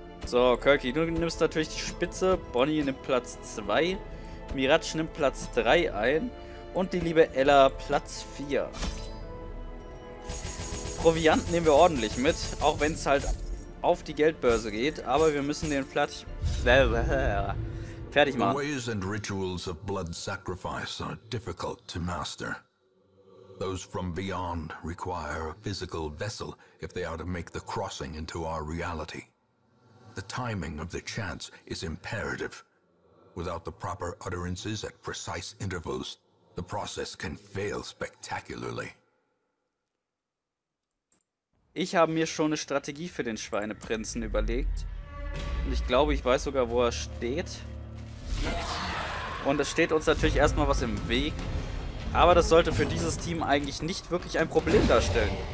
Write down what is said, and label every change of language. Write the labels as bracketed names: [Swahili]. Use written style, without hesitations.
[German] So, Kirky, du nimmst natürlich die Spitze, Bonnie nimmt Platz 2, Mirage nimmt Platz 3 ein und die liebe Ella Platz 4. Proviant nehmen wir ordentlich mit, auch wenn es halt auf die Geldbörse geht, aber wir müssen den Platz fertig machen. Die Wege und Rituals von Blutsacrifice sind schwierig zu meistern. [English] Those from beyond require a physical vessel if they are to make the crossing into our reality. The timing of the chants is imperative. Without the proper utterances at precise intervals, the process can fail spectacularly. [German] Ich habe mir schon eine Strategie für den Schweineprinzen überlegt. Und ich glaube, ich weiß sogar, wo er steht. Und es steht uns natürlich erstmal was im Weg. Aber das sollte für dieses Team eigentlich nicht wirklich ein Problem darstellen.